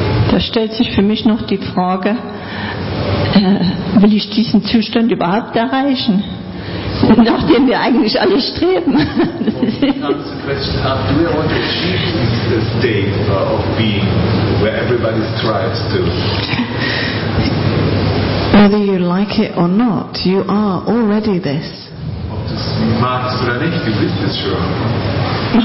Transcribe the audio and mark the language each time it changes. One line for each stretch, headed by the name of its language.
German: Da stellt sich für mich noch die Frage, will ich diesen Zustand überhaupt erreichen? Nach dem wir eigentlich alle streben.
English: Do we want to achieve this state of being where everybody strives to? Whether you like it or not, you are already this.
German: Ob du es magst oder nicht, du bist es schon.